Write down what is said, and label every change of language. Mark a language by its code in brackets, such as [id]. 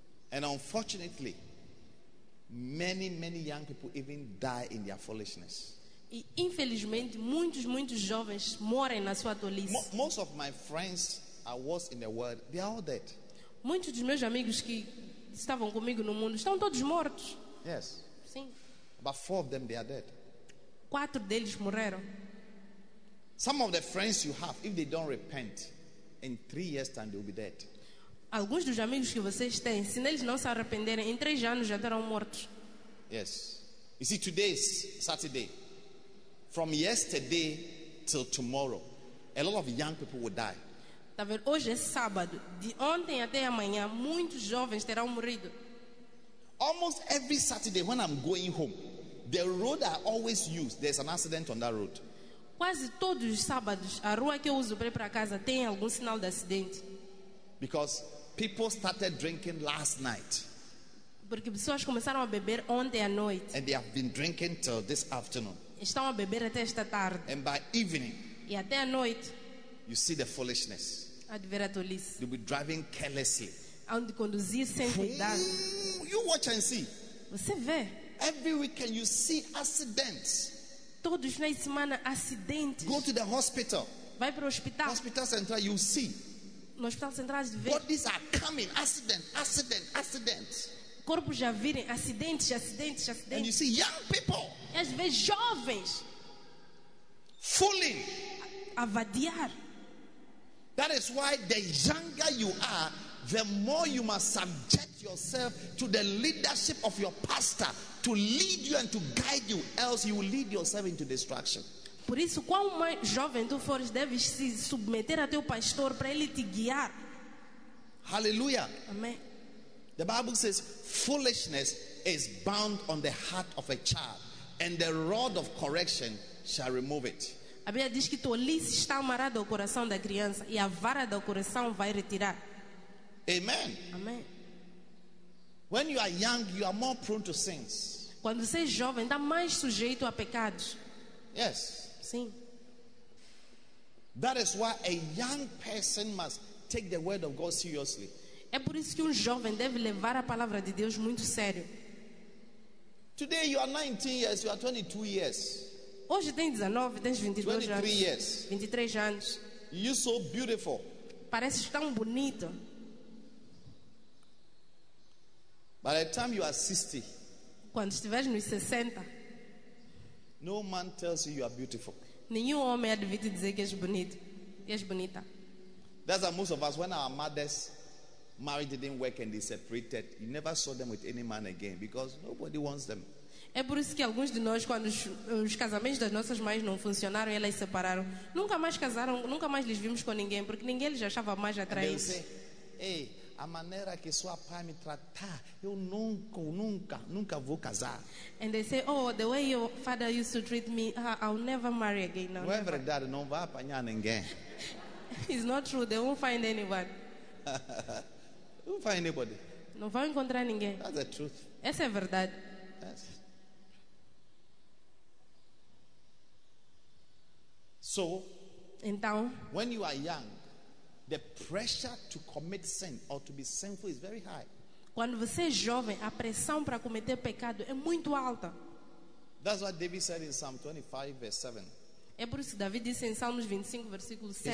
[en] And unfortunately, many, many young people even die in their foolishness. [pt] E infelizmente, muitos, muitos jovens morrem na sua tolice. [en] Most of my friends I was in the world, they are all dead. [pt] Muitos dos meus amigos que estavam comigo no mundo estão todos mortos. [en] Yes. [pt] Sim. [en] But four of them, they are dead. [pt] Quatro deles morreram. [en] Some of the friends you have, if they don't repent, in 3 years time they will be dead. [pt] Alguns dos amigos que vocês têm, se eles não se arrependerem, em 3 anos já terão mortos. [en] Yes. You see, today is Saturday. From yesterday till tomorrow, a lot of young people will die. [pt] Tá vendo? Hoje é sábado. De ontem até amanhã, muitos jovens terão morrido. [en] Almost every Saturday when I'm going home, the road I always use, there's an accident on that road. [pt] Quase todos os sábados, a rua que eu uso para ir para casa tem algum sinal de acidente. [en] Because people started drinking last night. [pt] Porque pessoas começaram a beber ontem à noite. [en] And they have been drinking till this afternoon. [pt] Estão a beber até esta tarde. [en] And by evening. [pt] E até à noite. [en] You see the foolishness. You'll be driving carelessly. [pt] Onde conduzir sem cuidado. [en] You watch and see. [pt] Você vê. [en] Every weekend you see accidents. [pt] Todos os finais de semana acidentes. [en] Go to the hospital. [pt] Vai para o hospital. [en] Hospital central, you see. [pt] No hospital central, você vê. [en] Bodies are coming. Accidents. [pt] Corpos já virem. Acidentes. [en] And you see young people. [pt] Às vezes jovens. [en] Fooling. [pt] Avadiar. [en] That is why the younger you are, the more you must subject yourself to the leadership of your pastor to lead you and to guide you, else you will lead yourself into destruction. [pt] Por isso, quão mais jovem tu fores, deves se submeter a teu pastor para ele te guiar. [en] Hallelujah. Amen. The Bible says, foolishness is bound on the heart of a child, and the rod of correction shall remove it. [pt] A Bíblia diz que tolice está amarrada ao coração da criança e a vara do coração vai retirar. [en] Amen. [pt] Amém. [en] When you are young, you are more prone to sins. [pt] Quando você é jovem, está mais sujeito a pecados. [en] Yes. [pt] Sim. [en] That is why a young person must take the word of God seriously. [pt] É por isso que jovem deve levar a palavra de Deus muito sério. [en] Today you are 19 years, you are 22 years. [pt] Hoje tem 19, tens 22 anos. [en] Years. [pt] 23 anos. [en] You're so beautiful. [pt] Pareces tão bonito. [en] By the time you are 60, [pt] quando estiveres nos 60, [en] no man tells you are beautiful. [pt] Nenhum homem há de te dizer que és bonito. És bonita. [en] That's how most of us, when our mothers' marriage didn't work and they separated, you never saw them with any man again because nobody wants them. [pt] É por isso que alguns de nós, quando os casamentos das nossas mães não funcionaram e elas separaram, nunca mais casaram, nunca mais lhes vimos com ninguém, porque ninguém lhes achava mais atraente. Ei, a maneira que sua pai me tratar, eu nunca, nunca, nunca vou casar. [en] And they say, oh, the way your father used to treat me, I'll never marry again. [pt] Não é verdade, não vai apanhar ninguém. [en] It's not true, they won't find anyone. You won't find anybody. [pt] Não vai encontrar ninguém. [en] That's the truth. [pt] Essa é a verdade. [en] Yes. So, [pt] então, [en] when you are young, the pressure to commit sin or to be sinful is very high. [pt] Quando você é jovem, a pressão para cometer pecado é muito alta. [en] That's what David said in Psalm 25, verse 7. [pt] É por isso que David disse em Salmos 25, versículo 7.